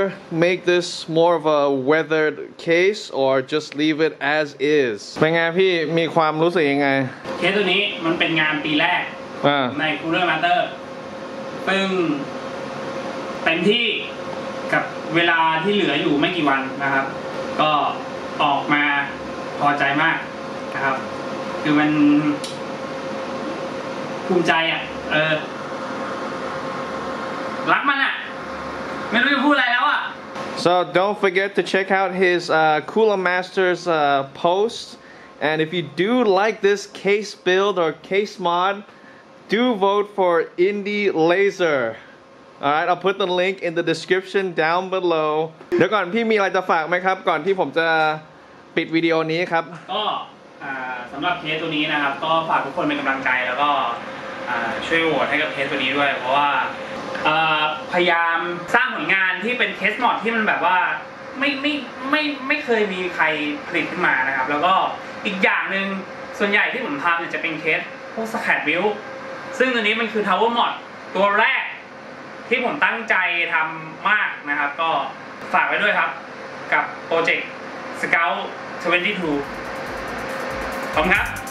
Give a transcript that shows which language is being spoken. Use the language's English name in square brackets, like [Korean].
[English] Make this more of a weathered case or just leave it as is. [Thai] เป็นไงพี่มีความรู้สึกยังไง เคสตัวนี้มันเป็นงานปีแรกในคูลเลอร์มาสเตอร์ซึ่งเต็มที่กับเวลาที่เหลืออยู่ไม่กี่วันนะครับก็ออกมาพอใจมากนะครับ คือมันภูมิใจอ่ะรักมันอ่ะไม่รู้จะพูดอะไรแล้วอ่ะ [English] So don't forget to check out his Cooler Masters post. And if you do like this case build or case mod, do vote for Indylaser. All right, I'll put the link in the description down below. [Thai] เดี๋ยวก่อนพี่มีอะไรจะฝากไหมครับก่อนที่ผมจะปิดวิดีโอนี้ครับ ก็สำหรับเคสตัวนี้นะครับก็ฝากทุกคนเป็นกำลังใจแล้วก็ช่วยโหวตให้กับเคสตัวนี้ด้วยเพราะว่า พยายามสร้างผลงานที่เป็นเคสมอดที่มันแบบว่าไม่เคยมีใครผลิตขึ้นมานะครับแล้วก็อีกอย่างนึงส่วนใหญ่ที่ผมทำเนี่ยจะเป็นเคสพวกสแคดวิลซึ่งตัวนี้มันคือทาวเวอร์มอดตัวแรกที่ผมตั้งใจทำมากนะครับก็ฝากไว้ด้วยครับกับโปรเจกต์ Scout 22ขอบคุณครับ